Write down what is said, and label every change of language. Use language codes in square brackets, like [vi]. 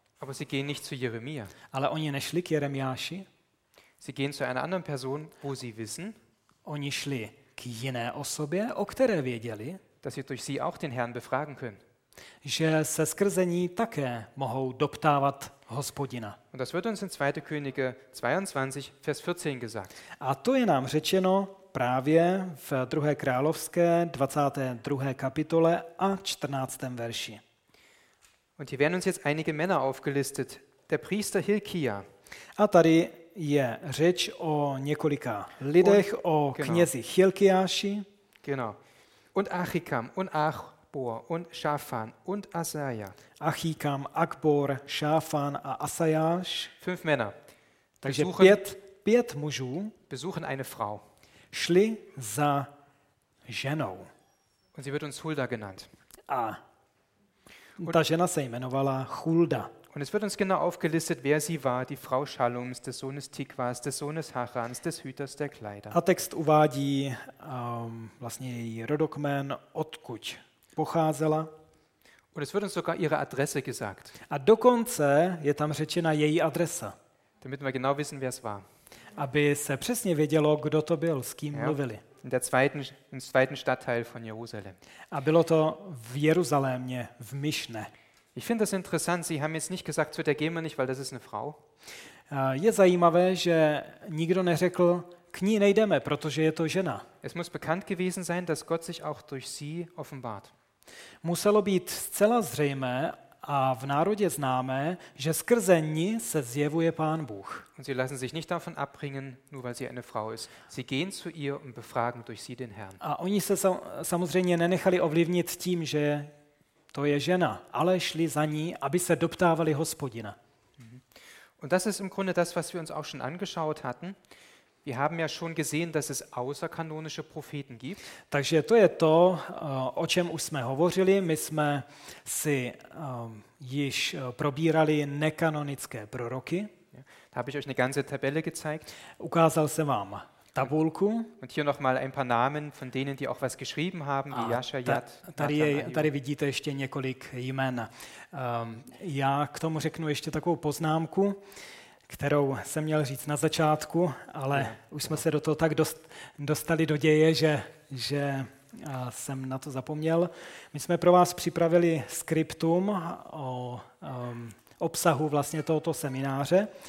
[de] Aber sie gehen nicht zu Jeremia. [cs] Ale oni nešli k Jeremiáši. [de] Sie gehen zu einer anderen Person, wo sie wissen, [cs] oni šli k jiné osobě, o které věděli, [de] dass sie durch sie auch den Herrn befragen können. [cs] Že se skrze ní také mohou doptávat Hospodina. [de] Und das wird uns in 2. Könige 22, Vers 14 gesagt. [cs] A to je nám řečeno právě v 2. Královské 22. kapitole a 14. verši. [de] Und hier werden uns jetzt einige Männer aufgelistet. Der Priester Hilkia. [cs] A tady je řeč o několika lidech, und, o genau. Knězi Hilkiáši. [de] Genau. Und Achikam und Achbor und Schafan und Asaja. [cs] Achikam, Achbor, Schafan a Asajáš. [de] Fünf Männer. [cs] Takže pět mužů [de] besuchen eine Frau. [cs] Šli za ženou. [de] Und sie wird uns Hulda genannt. [cs] A ta žena se jmenovala Hulda. [de] Und es wird uns genau aufgelistet, wer sie war, die Frau Schalums, des Sohnes Tikvas, des Sohnes Harans, des Hüters der Kleider. [cs] A text uvádí vlastně její rodokmen, odkud pocházela. [de] Und es wird uns sogar ihre Adresse gesagt. [cs] A dokonce je tam řečena její adresa. [de] Damit wir genau wissen, wer es war. [cs] Aby se přesně vědělo, kdo to byl, s kým mluvili. [de] In der zweiten, im zweiten Stadtteil von Jerusalem. [cs] A bylo to v Jeruzalémě, v Mischne. [de] Ich finde das interessant, sie haben jetzt nicht gesagt, zu der gehen wir nicht, weil das ist eine Frau. [cs] Je zajímavé, že nikdo neřekl, k ní nejdeme, protože je to žena. [de] Es muss bekannt gewesen sein, dass Gott sich auch durch sie offenbart. [cs] Muselo být zcela zřejmé a v národě známé, že skrze ní se zjevuje Pán Bůh. [de] Und sie lassen sich nicht davon abbringen, nur weil sie eine Frau ist. Sie gehen zu ihr und befragen durch sie den Herrn. [cs] A oni se samozřejmě nenechali ovlivnit tím, že to je žena, ale šli za ní, aby se doptávali Hospodina. [de] Und das ist im Grunde das, was wir uns auch schon angeschaut hatten. Wir haben ja schon gesehen, dass es außerkanonische Propheten gibt. [cs] Takže to je to, o čem už jsme hovořili. My jsme si již probírali nekanonické proroky. [de] Da habe ich euch eine ganze Tabelle gezeigt. [cs] Ukázal jsem vám tabulku. [de] Und hier noch mal ein paar Namen von denen, die auch was geschrieben haben, wie Jascha, Jad. [cs] Tady vidíte ještě několik jmen. Já k tomu řeknu ještě takovou poznámku, kterou jsem měl říct na začátku, ale už jsme se do toho tak dostali do děje, že jsem na to zapomněl. My jsme pro vás připravili skriptum o obsahu vlastně tohoto semináře.